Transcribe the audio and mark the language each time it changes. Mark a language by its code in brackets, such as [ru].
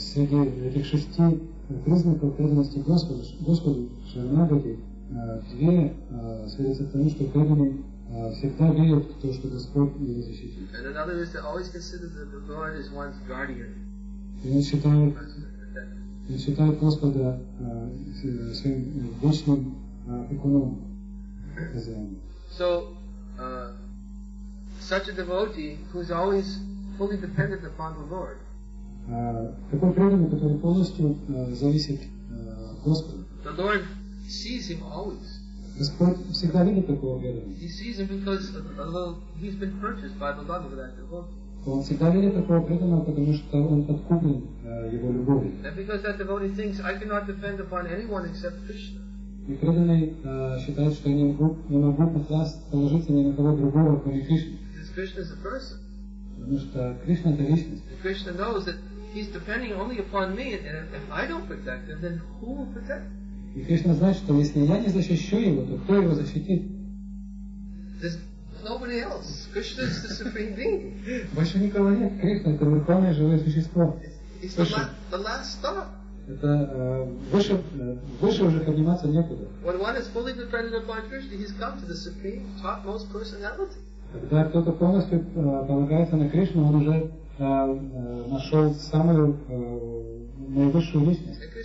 [ru] Среди этих шести признаков преданности Господу, Шаранагати, две сводятся к тому, что преданный всегда верит в то, что Господь его защитит. [en] And another is to always consider that the Lord is one's guardian. [ru] Он считает Господа своим вечным опекуном. [en] So, such a devotee who is always fully dependent upon the Lord. The Lord sees him always. He sees him because he's been purchased by the love of that devotee. [ru] Он всегда верит такого преданного, потому что он подкуплен его любовью. [en] And because that devotee thinks I cannot depend upon anyone except Krishna. [ru] И преданный считает, что я не могу положиться ни на кого другого, кроме Кришны. [en] Because Krishna is a person. [ru] Потому что Кришна это личность. [en] And Krishna knows that he's depending only upon me, and if I don't protect him, then who will protect him? [ru] И Кришна знает, что если я не защищу его, то кто его защитит? [en] Nobody else. Krishna is the supreme being. [ru] Больше никого нет. Кришна — это верховное живое существо. [en] It's the last thought. [ru] Это выше уже подниматься некуда. [en] When one is fully dependent upon Krishna, he's come to the supreme, topmost personality. [ru] Когда кто-то полностью полагается на Кришну, он уже нашел самую наивысшую личность.